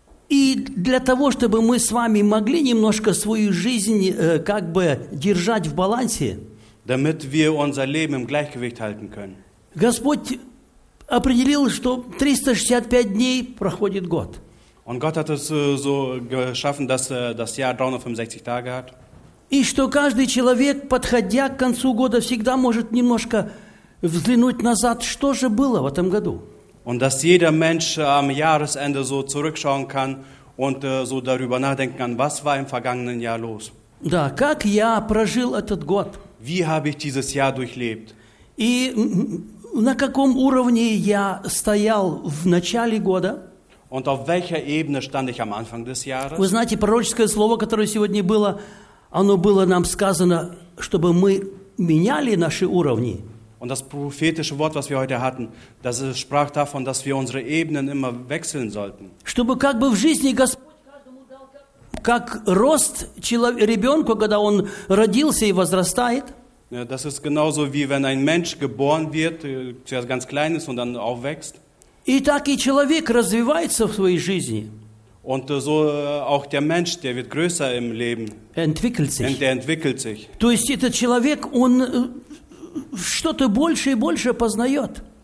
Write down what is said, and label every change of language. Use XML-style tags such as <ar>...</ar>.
<ru>И для того, чтобы мы с вами могли немножко свою жизнь как бы держать в балансе,</ru> <de>damit wir unser Leben im Gleichgewicht halten können.</de> <ru>Господь определил, что 365 дней проходит год.</ru> <de>Und Gott hat es so geschaffen, dass das Jahr 365 Tage hat.</de> <ru>И что каждый человек, подходя к концу года, всегда может немножко взглянуть назад, что же было в этом году.</ru> <de>Und dass jeder Mensch am Jahresende so zurückschauen kann und so darüber nachdenken kann, was war im vergangenen Jahr los.</de> <ru>Да, как я прожил этот год.</ru> <de>Wie habe ich dieses Jahr durchlebt?</de> <ru>И на каком уровне я стоял в начале года?</ru> <de>Und auf welcher Ebene stand ich am Anfang des Jahres?</de> <ru>Вы знаете, пророческое слово, которое сегодня было, оно было нам сказано, чтобы мы меняли наши уровни.</ru> <de>Und das prophetische Wort, was wir heute hatten, das sprach davon, dass wir unsere Ebenen immer wechseln sollten.</de> <ru>Чтобы как бы в жизни Господь как рост ребенку, когда он родился и возрастает.</ru> <de>Das ist genauso wie wenn ein Mensch geboren wird, zuerst ganz klein ist und dann aufwächst.</de> <ru>И так и человек развивается в своей жизни.</ru> <de>Und so auch der Mensch, der wird größer im Leben. Entwickelt sich.</de> <ru>То есть этот человек, он что-то больше и больше познает.</ru>